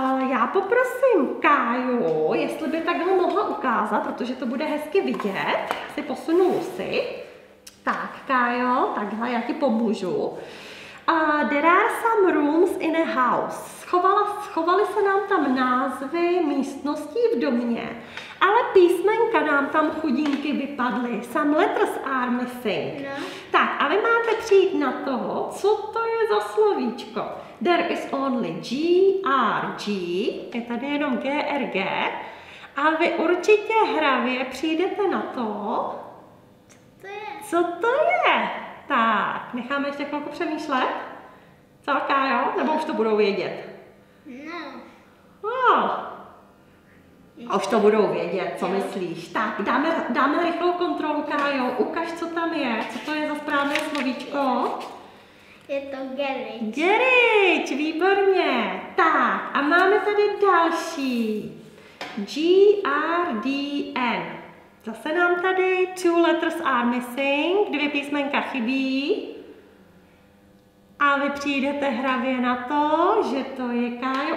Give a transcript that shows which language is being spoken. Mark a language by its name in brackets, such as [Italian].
[Czech] Já poprosím Káju, jestli by takhle mohla ukázat, protože to bude hezky vidět. Si posunu si. Tak, Kájo, takhle já ti pomůžu. [English] There are some rooms in a house. [Czech] Schovaly se nám tam názvy místností v domě, ale písmenka nám tam chudinky vypadly. [English] Some letters are missing. [Czech] No. Tak, a vy máte přijít na toho, co to je za slovíčko. [English] There is only GRG, [Czech] je tady jenom GRG, a vy určitě hravě přijdete na to, co to je. Tak, necháme ještě chvilku přemýšlet. Celka, jo? Nebo už to budou vědět? No. A. A už to budou vědět, co myslíš. Tak, dáme rychlou kontrolu, Kájo. Ukaž, co tam je. Co to je za správné slovíčko? Je to Gerič. Gerič, výborně. Tak, a máme tady další. G-R-D-N. Zase nám tady [English] two letters are missing. [Czech] Dvě písmenka chybí. A vy přijdete hravě na to, že to je, Kájo.